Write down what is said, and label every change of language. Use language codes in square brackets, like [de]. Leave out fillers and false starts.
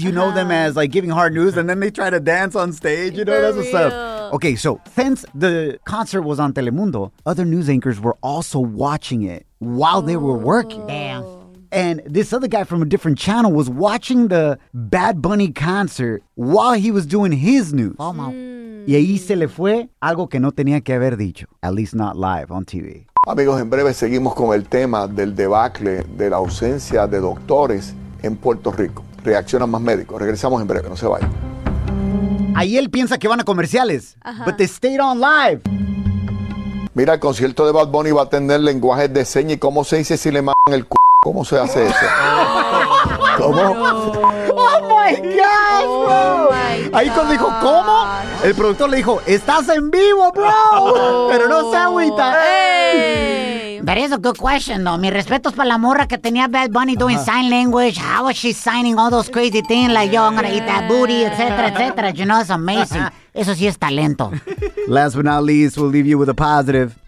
[en] You know them as like giving hard news and then they try to dance on stage. You know, that's what's up. Okay, so since the concert was on Telemundo, other news anchors were also watching it while they were working. Damn. And this other guy from a different channel was watching the Bad Bunny concert while he was doing his news. Mm. [es] Y ahí se le fue algo que no tenía que haber dicho. [en] At least not live on TV. [es] Amigos, en breve seguimos con el tema del debacle de la ausencia de doctores en Puerto Rico. Reaccionan más médicos. Regresamos en breve, no se vayan. Ahí él piensa que van a comerciales. Uh-huh. [en] But they stayed on live. [es] Mira, el concierto de Bad Bunny va a tener lenguaje de seña. ¿Y cómo se dice si le mandan el c***? ¿Cómo se hace eso? ¿Cómo? [en] No. ¡Oh, my God, bro! Oh my God. [es] Ahí cuando dijo, ¿cómo? El productor le dijo, ¡estás en vivo, bro! [en] Oh. [es] Pero no se agüita. [en] Hey. That is a good question, though. [es] Mi respeto es para la morra que tenía Bad Bunny [en] doing sign language. How was she signing all those crazy things? Like, yo, I'm going to eat that booty, etc., etc. You know, it's amazing. [es] Eso sí es talento. [en] Last but not least, we'll leave you with a positive.